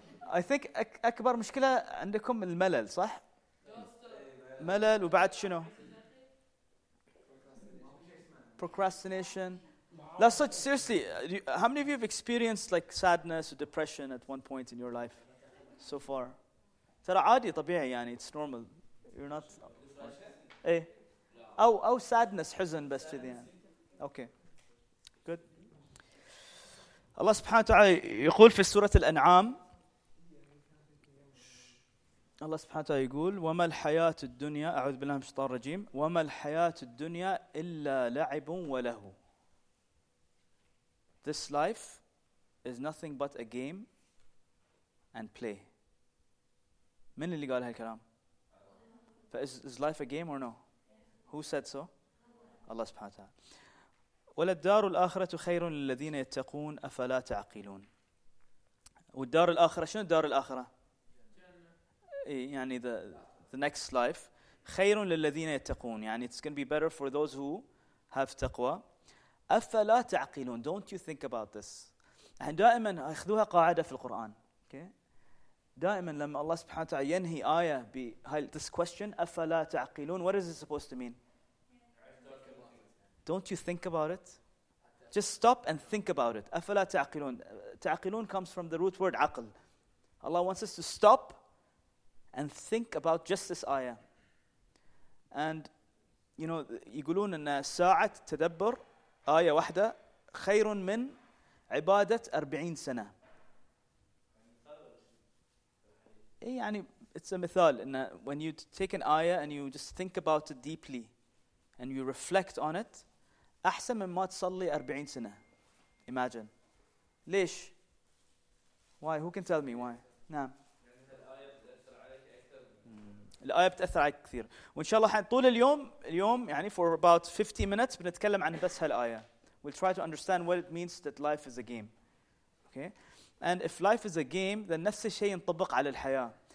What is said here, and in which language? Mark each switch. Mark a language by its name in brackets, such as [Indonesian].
[Arabic] I think أكبر مشكلة عندكم الملل صح؟ ملل وبعد شنو؟ Procrastination. [English] That's such seriously. How many of you have experienced like sadness or depression at one point in your life so far? [Arabic] ترى عادي طبيعي يعني [English] it's normal. You're not. [Arabic] إيه. أو sadness حزن بس كذي يعني. [English] Okay. Good. [Arabic] Allah سبحانه وتعالى يقول في سورة الأنعام. الله سبحانه وتعالى يقول وما الحياة الدنيا أعوذ بالله من الشيطان الرجيم وما الحياة الدنيا إلا لعب وله. [English] This life is nothing but a game and play. [Arabic] من اللي قال هالكلام؟ [English] Is life a game or no? Who said so? [Arabic] الله سبحانه وتعالى. وللدار الآخرة خير للذين يتقون أفلا تعقلون. والدار الآخرة شنو الدار الآخرة؟ يعني the next life خير للذين يتقون يعني it's going to be better for those who have تقوى. أفلا تعقلون. [English] Don't you think about this. [Arabic] احنا دائما اخذوها قاعدة في القرآن. Okay. دائما لما الله سبحانه وتعالى ينهي آية [English] this question [Arabic] أفلا تعقلون [English] what is it supposed to mean? Don't you think about it? Just stop and think about it. [Arabic] أفلا تعقلون. [English] تعقلون comes from the root word عقل. Allah wants us to stop and think about just this ayah. And you know, [Arabic] يقولون أن ساعة تدبر آية واحدة خير من عبادة 40 سنة. إيه يعني [English] it's a [Arabic] مثال أن [English] when you take an ayah and you just think about it deeply and you reflect on it, [Arabic] أحسن من ما تصلي 40 سنة. [English] Imagine. [Arabic] ليش؟ [English] Why? Who can tell me why? [Arabic] نعم. الآية بتأثر عليك كثير. وإن شاء الله طول اليوم يعني [English] for about 50 minutes [Arabic] بنتكلم عن بس هالآية. [English] We'll try to understand what it means that life is a game. Okay? And if life is a game, then [Arabic] نفس الشيء ينطبق على الحياة.